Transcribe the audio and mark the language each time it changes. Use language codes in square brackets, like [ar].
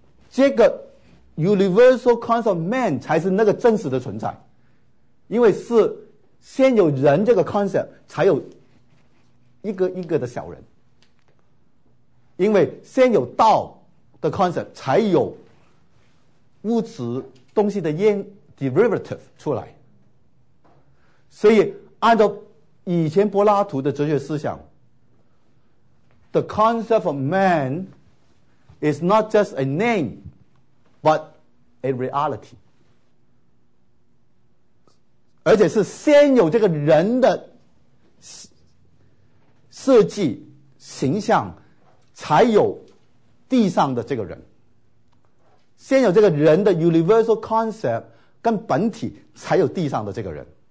[zh] 这个 [en] universal concept of man [zh] 才是那个真实的存在，因为是先有人这个 concept， 才有一个一个的小人，因为先有道的 concept， 才有物质东西的 derivative 出来。所以按照以前柏拉图的哲学思想， [en] The concept of man is not just a name, but a reality. [zh] 而且是先有这个人的设计形象，才有地上的这个人。先有这个人的 [en] universal concept [zh] 跟本体，才有地上的这个人。